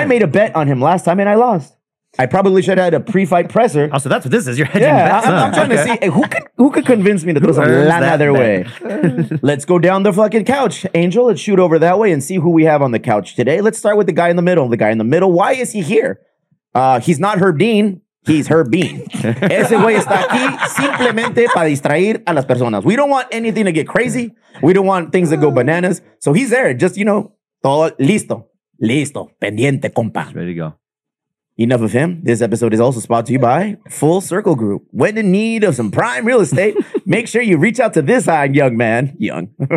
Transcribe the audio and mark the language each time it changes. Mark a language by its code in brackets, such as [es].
[en] I made a bet on him last time and I lost. I probably should have had a pre-fight presser. Oh, so that's what this is. You're hedging bets. Yeah, I'm trying to see who could convince me to throw some lana their way. Let's go down the fucking couch, Angel. Let's shoot over that way and see who we have on the couch today. Let's start with the guy in the middle. The guy in the middle, why is he here? He's not Herb Dean. He's Herb Dean. [es] Ese güey está aquí simplemente para distraer a las personas. [en] We don't want anything to get crazy. We don't want things to go bananas. So he's there. Just, you know, [es] todo listo. Listo. Pendiente, compa. [en] He's ready to go. Enough of him. This episode is also sponsored to you by Full Circle Group. When in need of some prime real estate, make sure you reach out to this eye, young man. Young.